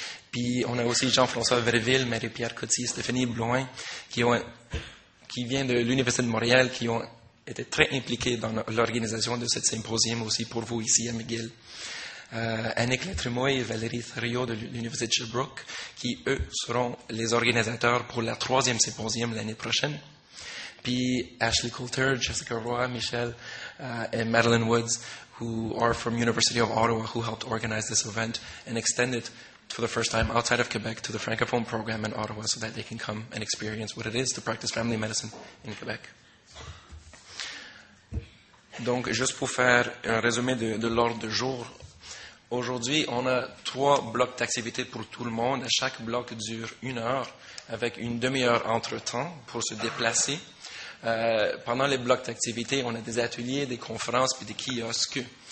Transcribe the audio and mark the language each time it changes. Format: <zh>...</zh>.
<fr>Puis on a aussi Jean-François Verville, Marie-Pierre Cotty, Stéphanie Blouin, qui vient de l'Université de Montréal, qui ont été très impliqués dans l'organisation de cette symposium aussi pour vous ici à McGill. Annick Latremoille et Valérie Thériault de l'Université de Sherbrooke, qui eux seront les organisateurs pour la troisième symposium l'année prochaine. Puis</fr> <en>Ashley Coulter, Jessica Roy, Michel et Madeline Woods, who are from University of Ottawa, who helped organize this event and extend it for the first time outside of Quebec to the Francophone program in Ottawa so that they can come and experience what it is to practice family medicine in Quebec.</en> <fr>Donc, juste pour faire un résumé de l'ordre du jour, aujourd'hui, on a trois blocs d'activités pour tout le monde. Chaque bloc dure une heure avec une demi-heure entre-temps pour se déplacer. Pendant les blocs d'activité, on a des ateliers, des conférences puis des kiosques.</fr>